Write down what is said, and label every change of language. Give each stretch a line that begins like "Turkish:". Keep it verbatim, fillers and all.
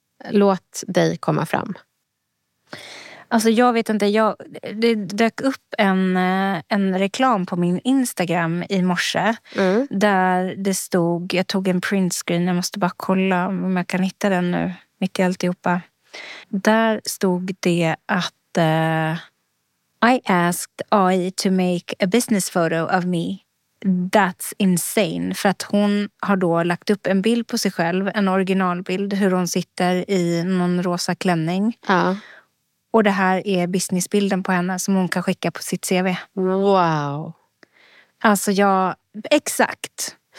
Swedish: Låt dig komma fram. Alltså jag vet inte, jag, det dök upp en, en reklam på min Instagram i morse. Mm. Där det stod, jag tog en printscreen, jag måste bara kolla om jag kan hitta den nu, mitt i alltihopa. Där stod det att uh,
English: I asked A I to make a business photo of me. That's insane.
Swedish: För att hon har då lagt upp en bild på sig själv, en originalbild, hur hon sitter i någon rosa klänning. Ja. Och det här är businessbilden på henne som hon kan skicka på sitt C V. Wow. Alltså jag, exakt.